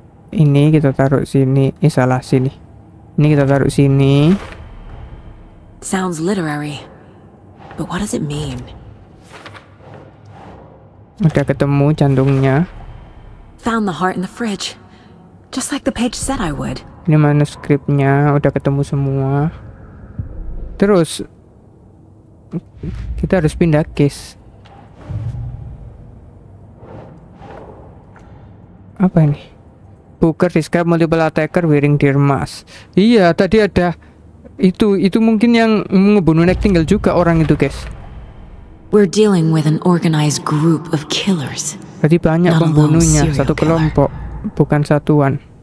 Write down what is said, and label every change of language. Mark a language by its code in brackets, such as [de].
[id] Ini kita taruh sini, salah sini. Ini kita taruh sini. [en] Sounds literary, but what does it mean? [id] Udah ketemu jantungnya. [en] Found the heart in the fridge, just like the page said I would. [id] Ini manuskripnya udah ketemu semua. Terus kita harus pindah case. Apa ini? [en] Booker describe multiple attacker wearing deer mask. [id] Iya tadi ada itu mungkin yang ngebunuh Nek tinggal juga orang itu guys. [en] We're dealing with an organized group of killers. [id] Jadi banyak pembunuhnya, satu kelompok, bukan satuan.